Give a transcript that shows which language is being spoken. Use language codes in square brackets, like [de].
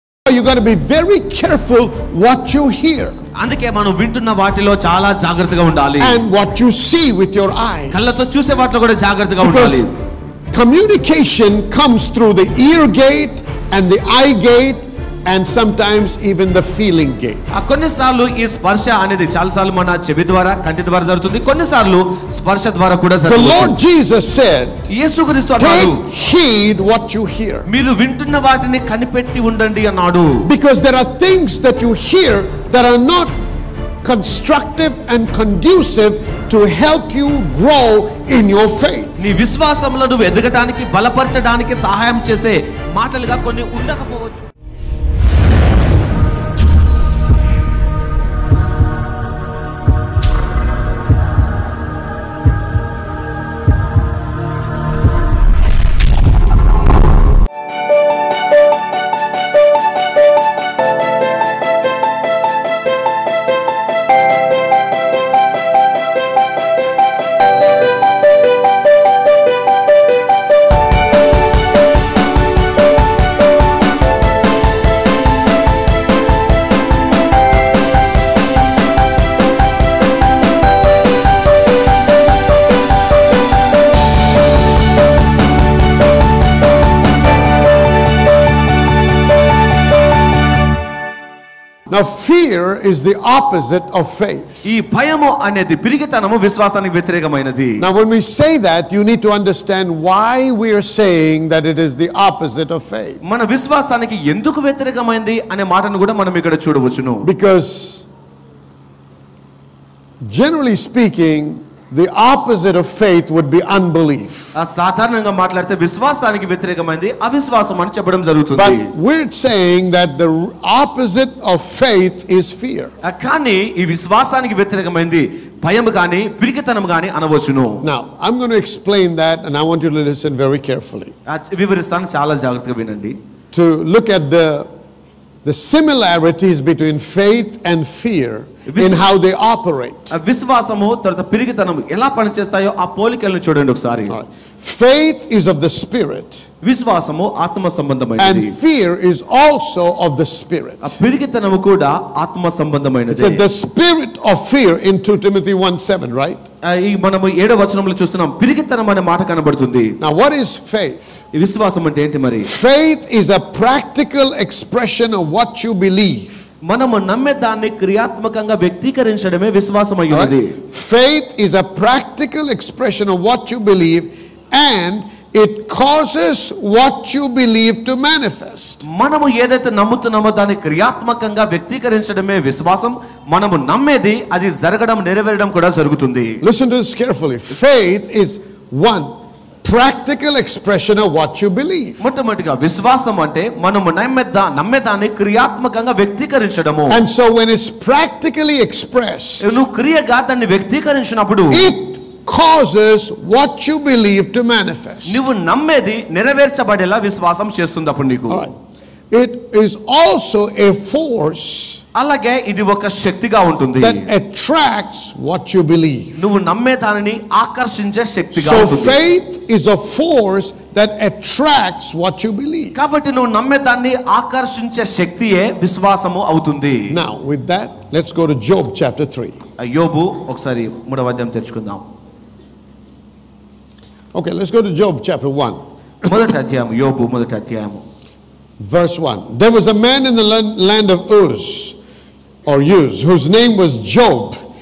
[en] you got to be very careful what you hear. [te] అందుకే మనం వింటున్న వాటిలో చాలా జాగ్రత్తగా ఉండాలి. [en] And what you see with your eyes. [te] కళ్ళతో చూసే వాటిలో కూడా జాగ్రత్తగా ఉండాలి. [en] Communication comes through the ear gate and the eye gate and sometimes even the feeling gate. [te] కొన్ని సార్లు ఈ స్పర్శ అనేది చాలా సార్లు మన చెవి ద్వారా కంటి ద్వారా జరుగుతుంది. కొన్ని సార్లు స్పర్శ ద్వారా కూడా జరుగుతుంది. [en] The Lord Jesus said, [te] యేసుక్రీస్తు అన్నాడు, [en] take heed what you hear. [te] మీరు వింటున్న వాటిని కనిపెట్టి ఉండండి అన్నాడు. [en] Because there are things that you hear that are not constructive and conducive to help you grow in your faith. [te] నీ విశ్వాసములను ఎదగడానికి బలపరచడానికి సహాయం చేసే మాటలుగా కొన్ని ఉండకపోవచ్చు. [en] Is the opposite of faith. [te] ఈ భయము అనేది పిరిగితనము విశ్వాసానికి వ్యతిరేకమైనది. [en] Now when we say that you need to understand why we are saying that it is the opposite of faith. [te] మన విశ్వాసానికి ఎందుకు వ్యతిరేకమైనది అనే మాటను కూడా మనం ఇక్కడ చూడవచ్చును. [en] Because generally speaking, the opposite of faith would be unbelief. [te] సాధారణంగా మాట్లాడితే విశ్వాసానికి వ్యతిరేకమైనది అవిశ్వాసం అని చెప్పడం జరుగుతుంది. [en] But we're saying that the opposite of faith is fear. [te] కానీ ఈ విశ్వాసానికి వ్యతిరేకమైనది భయం గాని పిరికితనం గాని అనవచ్చును. [en] Now I'm going to explain that and I want you to listen very carefully. [te] వివరిస్తాను, చాలా జాగ్రత్తగా వినండి. [en] To look at the similarities between faith and fear in how they operate. [te] అవిశ్వాసము తర్వాత పిరిగితనము ఎలా పని చేస్తాయో ఆ పోలికలను చూడండి ఒకసారి. [en] Faith is of the spirit. [te] విశ్వాసము ఆత్మ సంబంధమైనది. [en] And fear is also of the spirit. [te] ఆ పిరిగితనము కూడా ఆత్మ సంబంధమైనది. [en] The spirit of fear in 2 Timothy 1:7, right? [te] ఈ మనము 7వ వచనంలో చూస్తున్నాం, పిరిగితనము అనే మాట కనబడుతుంది. [en] Now what is faith? [te] ఈ విశ్వాసం అంటే ఏంటి మరి? [en] Faith is a practical expression of what you believe. [te] మనము నమ్మే దాన్ని క్రియాత్మకంగా వ్యక్తీకరించడమే విశ్వాసం అయి ఉన్నది. [en] Faith is a practical expression of what you believe and it causes what you believe to manifest. [te] మనము ఏదైతే నమ్ముతున్నామో దాన్ని క్రియాత్మకంగా వ్యక్తీకరించడమే విశ్వాసం. మనము నమ్మేది అది జరగడం నెరవేరడం కూడా జరుగుతుంది. [en] Listen to this carefully. Faith is one practical expression of what you believe. [te] మొట్టమొదటిగా విశ్వాసం అంటే మనం నమ్మేదాన్ని క్రియాత్మకంగా వ్యక్తీకరించడము. [en] And so when it's practically expressed, [te] నువ్వు క్రియగా దాన్ని వ్యక్తీకరించినప్పుడు, [en] it causes what you believe to manifest. [te] నువ్వు నమ్మేది నెరవేర్చబడేలా విశ్వాసం చేస్తుంది అప్పుడు నీకు. [en] It is also a force. [te] అలాగే ఇది ఒక శక్తిగా ఉంటుంది. [en] That attracts what you believe. [te] నువ్వు నమ్మే దానిని ఆకర్షించే శక్తిగా ఉంటుంది. [en] So faith is a force that attracts what you believe. [te] కాబట్టి నువ్వు నమ్మే దానిని ఆకర్షించే శక్తియే విశ్వాసము అవుతుంది. [en] Now with that, let's go to Job chapter 3. [te] యోబు ఒకసారి 3వ అధ్యాయం తెచ్చుకుందాం. [en] Okay, let's go to Job chapter 1. [te] మొదటి అధ్యాయం, యోబు మొదటి అధ్యాయము. [en] Verse 1. There was a man in the land of Uz, or Uz, whose name was Job.